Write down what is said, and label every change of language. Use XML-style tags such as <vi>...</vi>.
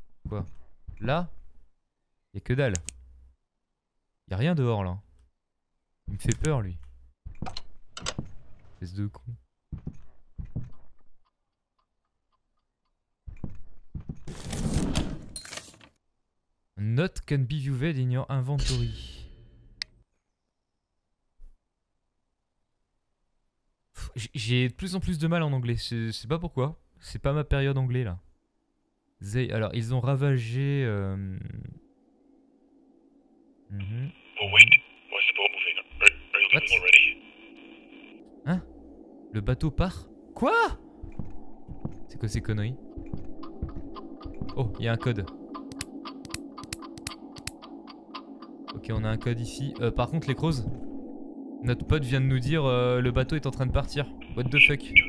<fr>Quoi? Là? Y'a que dalle. Y'a rien dehors là. Il me fait peur lui. Espèce de con.</fr> <en>Note can be viewed in your inventory.</en> <fr>J'ai de plus en plus de mal en anglais, je sais pas pourquoi. C'est pas ma période anglais là. Alors, ils ont ravagé.</fr> <en>Oh wait, why is the boat moving? Are you leaving already?</en> <fr>Hein? Le bateau part? Quoi? C'est quoi ces conneries? Oh, il y a un code. Ok, on a un code ici. Par contre, les crows, notre pote vient de nous dire le bateau est en train de partir.</fr> <en>What the fuck?</en>